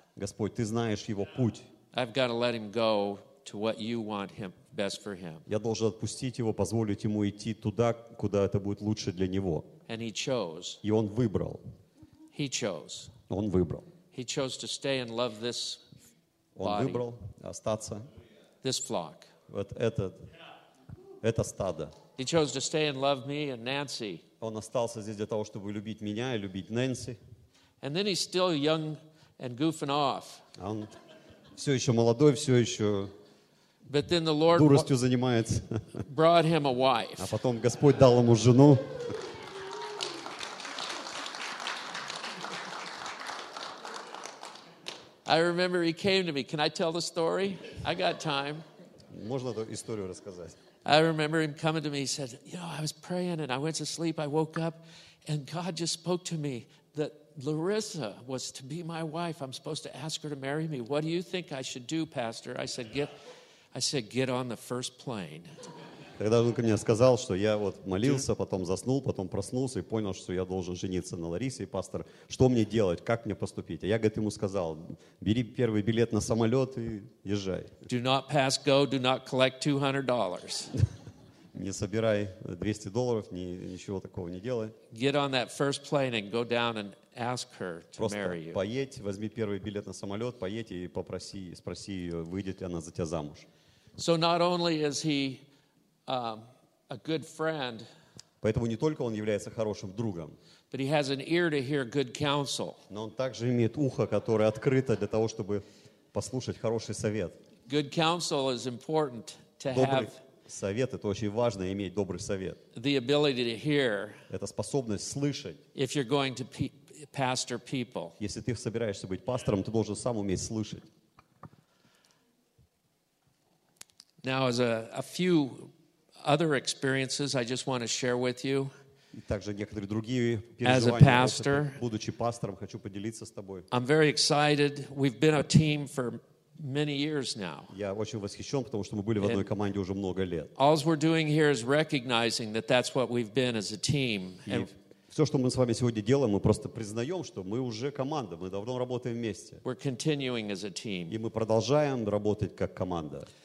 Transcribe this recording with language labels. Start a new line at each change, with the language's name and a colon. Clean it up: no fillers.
Russian: Господь, ты знаешь его путь.
English: I've got to let him go to what you want him best for him.
Russian: Я должен отпустить его, позволить ему идти туда, куда это будет лучше для него.
English: And he chose.
Russian: И он выбрал.
English: He chose.
Russian: Он выбрал.
English: He chose to stay and love this body.
Russian: Он выбрал остаться.
English: This flock.
Russian: Вот это стадо.
English: He chose to stay and love me and Nancy.
Russian: Он остался здесь для того, чтобы любить меня и любить Нэнси.
English: And then he's still young and goofing off.
Russian: Он все еще молодой, все еще
English: But then the Lord
Russian: дуростью занимается.
English: Brought him a wife.
Russian: А потом Господь дал ему жену.
English: I remember he came to me. Can I tell the story? I got time.
Russian: Можно эту историю рассказать.
English: I remember him coming to me. He said, "You know, I was praying and I went to sleep. I woke up, and God just spoke to me that Larissa was to be my wife. I'm supposed to ask her to marry me. What do you think I should do, Pastor? I said, get on the first plane.
Russian: Тогда он мне сказал, что я вот молился, потом заснул, потом проснулся и понял, что я должен жениться на Ларисе. И пастор, что мне делать, как мне поступить? А я, говорит, ему сказал, бери первый билет на самолет и езжай.
English: Do not pass go, do not collect $200.
Russian: Не собирай $200, ничего такого не делай.
English: Get on that first plane and go down and ask her to marry you.
Russian: Просто поедь, возьми первый билет на самолет, поедь и попроси, спроси ее, выйдет ли она за тебя замуж.
English: So not only is he a good friend.
Russian: Поэтому не только он является хорошим другом.
English: But he has an ear to hear good counsel.
Russian: Но он также имеет ухо, которое открыто для того, чтобы послушать хороший совет.
English: Good counsel is important to have.
Russian: Совет это очень важно иметь добрый совет.
English: The ability to hear.
Russian: Это способность слышать.
English: If you're going to pastor people.
Russian: Если ты собираешься быть пастором, ты должен сам уметь слышать.
English: Now, as a few other experiences, I just want to share with you.
Russian: Также некоторые другие переживания.
English: As a pastor,
Russian: будучи пастором, хочу поделиться с тобой.
English: I'm very excited. We've been a team for many years now.
Russian: Я очень восхищен, потому что мы были в одной команде уже много лет.
English: All we're doing here is recognizing that that's what we've been as a team.
Russian: Все, что мы с вами сегодня делаем, мы просто признаем, что мы уже команда, мы давно работаем вместе.
English: We're continuing as a team.
Russian: И мы продолжаем работать как команда.